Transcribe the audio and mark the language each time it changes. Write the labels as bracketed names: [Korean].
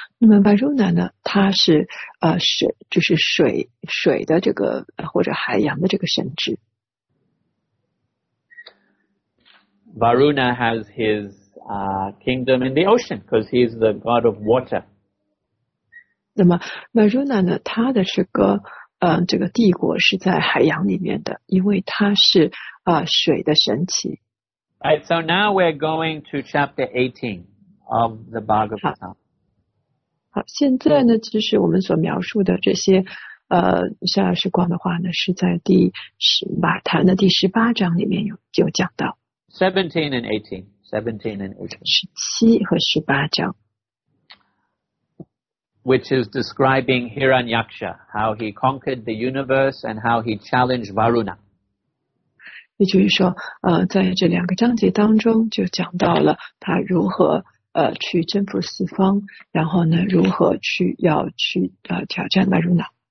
[Chinese] 那么 Varuna 呢，他是水的这个或者海洋的这个神祇。 [English] Varuna has his kingdom in the ocean because he is the god of water. [Chinese] 那么 Varuna 呢，他的这个这个帝国是在海洋里面的，因为它是水的神祇。 [English] Right, so now we're going to chapter 18 of the Bhagavatam. [Chinese] 好，现在呢，就是我们所描述的这些夏尔时光的话呢，是在第十马坛的第十八章里面有讲到。 [English] 17 and 18. [Chinese] 十七和十八章。 [English] Which is describing Hiranyaksha, how he conquered the universe and how he challenged Varuna. [Chinese] 也就是说，在这两个章节当中就讲到了他如何去征服四方，然后呢，如何去要去挑战 Varuna.